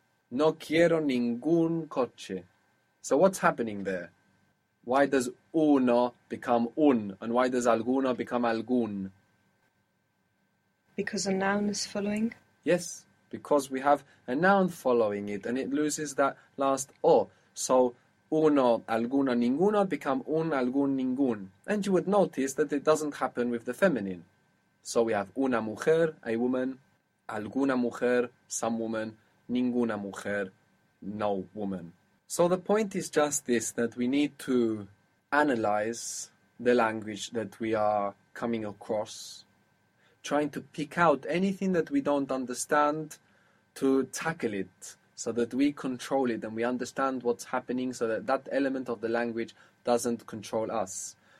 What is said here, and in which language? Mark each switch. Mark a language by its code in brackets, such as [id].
[es] No quiero ningún coche. [en] So what's happening there? Why does uno become un and why does alguno become algún? Because a noun is following. Yes, because we have a noun following it and it loses that last o. So uno, alguno, ninguno become un, algún, ningún. And you would notice that it doesn't happen with the feminine. So we have una mujer, a woman, alguna mujer, some woman, ninguna mujer, no woman. So the point is just this, that we need to analyze the language that we are coming across, trying to pick out anything that we don't understand to tackle it, so that we control it and we understand what's happening, so that that element of the language doesn't control us.